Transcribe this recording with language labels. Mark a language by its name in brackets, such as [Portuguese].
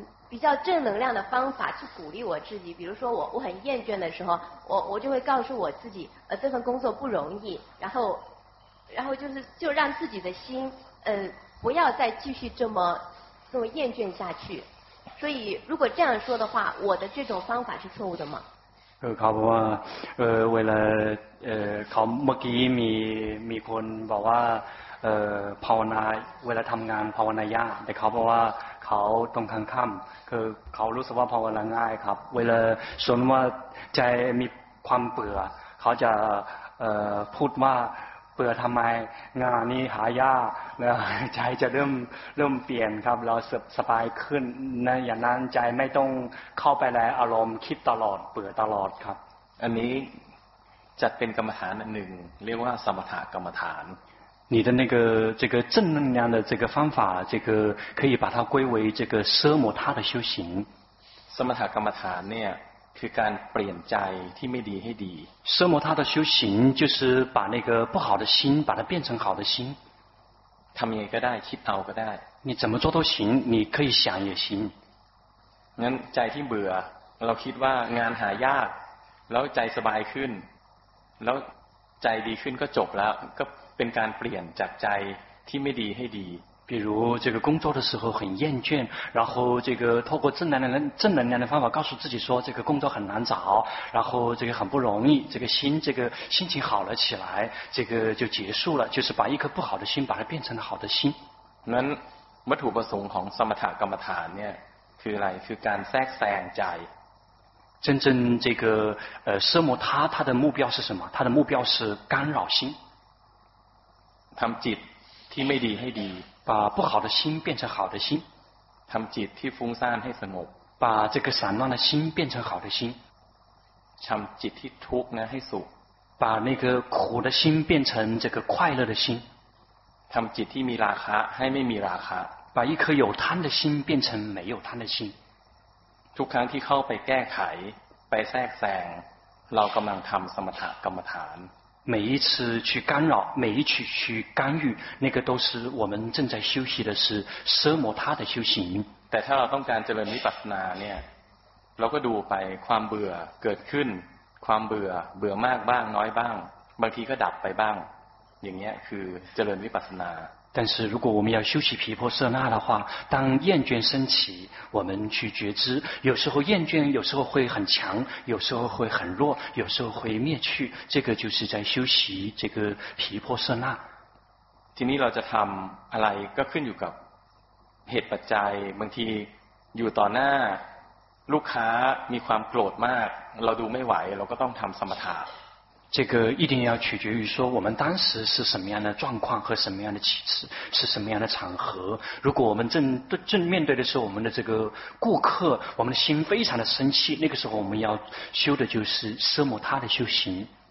[Chinese] 比较正能量的方法去鼓励我自己比如说我很厌倦的时候我就会告诉我自己这份工作不容易然后就让自己的心不要再继续这么厌倦下去所以如果这样说的话我的这种方法是错误的吗 [Thai] เขาบอกว่าเวลาเขาเมื่อกี้มีคนบอกว่าภาวนาเวลาทำงานภาวนายากแต่เขาบอกว่าเขาตรงข้างค่ำคือเขารู้สึกว่าภาวนาง่ายครับเวลาสมมติว่าใจมีความเบื่อเขาจะ พูดว่าเบื่อทำไมงานนี้หายากนะใจจะเริ่มเปลี่ยนครับเราสบายขึ้นนะอย่างนั้นใจไม่ต้องเข้าไปในอารมณ์คิดตลอดเบื่อตลอดครับ อันนี้จัดเป็นกรรมฐานหนึ่งเรียกว่าสมถะกรรมฐาน [Chinese] 你的那个这个正能量的这个方法这个可以把它归为这个奢摩他的修行 [Thai] สมถะกรรมฐานเนี่ยคือการเปลี่ยนใจที่ไม่ดีให้ดี [Chinese] 奢摩他的修行就是把那个不好的心把它变成好的心 [Thai] ทำยังไงก็ได้คิดเอาก็ได้ [Chinese] 你怎么做都行你可以想也行 [Thai] งั้นใจที่เบื่อเราคิดว่างานหายากแล้วใจสบายขึ้นแล้วใจดีขึ้นก็จบแล้วก็เป็นการเปลี่ยนจากใจที่ไม่ดีให้ดี [Chinese] 比如这个工作的时候很厌倦然后这个透过正能量的方法告诉自己说这个工作很难找然后这个很不容易这个心情好了起来这个就结束了就是把一颗不好的心把它变成了好的心 [Thai] 那วัตถุประสงค์ของสมถะกรรมฐานเนี่ยคืออะไรคือการแทรกแซงใจ [Chinese] 真正这个奢摩他他的目标是什么他的目标是干扰心 [Thai] ทำจิตที่ไม่ดีให้ดี [Chinese] 把不好的心变成好的心 [Thai] ทำจิตที่ฟุ้งซ่านให้สงบ [Chinese] 把这个散乱的心变成好的心 [Thai] ทำจิตที่ทุกข์นะให้สุข [Chinese] 把那个苦的心变成这个快乐的心 [Thai] ทำจิตที่มีราคะให้ไม่มีราคะ [Chinese] 把一颗有贪的心变成没有贪的心 [Thai] ทุกครั้งที่เข้าไปแก้ไขไปแทรกแซงเรากำลังทำสมถะกรรมฐาน [Chinese] 每一次去干扰每一次去干预那个都是我们正在休息的是奢摩他的修行 [Thai] แต่ถ้าเราต้องการเจริญวิปัสสนาเนี่ยเราก็ดูไปความเบื่อเกิดขึ้นความเบื่อมากบ้างน้อยบ้างบางทีก็ดับไปบ้างอย่างเงี้ยคือเจริญวิปัสสนา [Chinese] 但是如果我们要修习毗婆舍那的话当厌倦升起我们去觉知有时候厌倦有时候会很强有时候会很弱有时候会灭去这个就是在修习这个毗婆舍那 [Thai] ทีนี้เราจะทำอะไรก็ขึ้นอยู่กับเหตุปัจจัยบางทีอยู่ต่อหน้าลูกค้ามีความโกรธมากเราดูไม่ไหวเราก็ต้องทำสมถะ [Chinese] 这个一定要取决于说我们当时是什么样的状况和什么样的起次是什么样的场合如果我们正面对的是我们的这个顾客我们的心非常的生气那个时候我们要修的就是奢摩他的修行